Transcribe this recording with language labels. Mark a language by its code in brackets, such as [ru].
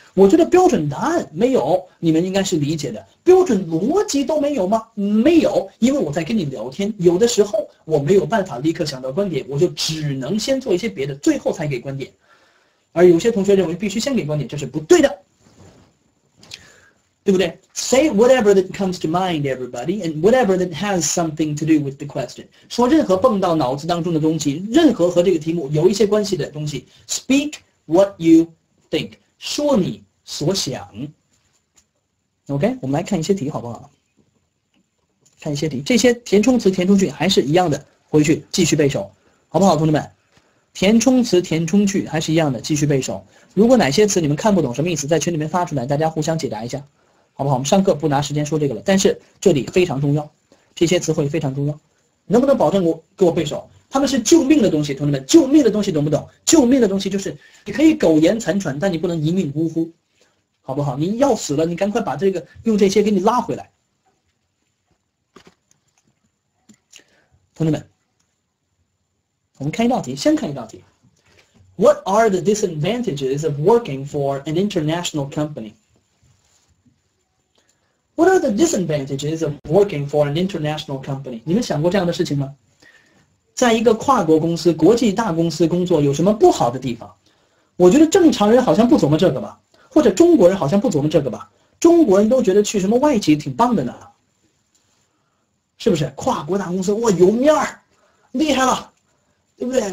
[zh] 我觉得标准答案没有，你们应该是理解的，标准逻辑都没有吗？没有，因为我在跟你聊天，有的时候我没有办法立刻想到观点，我就只能先做一些别的，最后才给观点。而有些同学认为必须先给观点，这是不对的，对不对？ [en] Say whatever that comes to mind, everybody, and whatever that has something to do with the question. [zh] 说任何蹦到脑子当中的东西，任何和这个题目有一些关系的东西。 [en] Speak what you think. [zh] 说你所想。 OK, 我们来看一些题好不好？看一些题，这些填充词填充句还是一样的，回去继续背熟，好不好，同志们？填充词填充句还是一样的，继续背熟。如果哪些词你们看不懂什么意思，在群里面发出来，大家互相解答一下。好不好？我们上课不拿时间说这个了，但是这里非常重要，这些词汇非常重要，能不能保证我给我背熟？他们是救命的东西，同志们，救命的东西懂不懂？救命的东西就是你可以苟延残喘，但你不能一命呜呼，好不好？你要死了，你赶快把这个用这些给你拉回来。同志们，我们看一道题，先看一道题。 [en] What are the disadvantages of working for an international company? What are the disadvantages of working for an international company? [zh] 你们想过这样的事情吗？在一个跨国公司、国际大公司工作有什么不好的地方？我觉得正常人好像不琢磨这个吧，或者中国人好像不琢磨这个吧，中国人都觉得去什么外企挺棒的呢，是不是？跨国大公司，哇，有面儿，厉害了，对不对？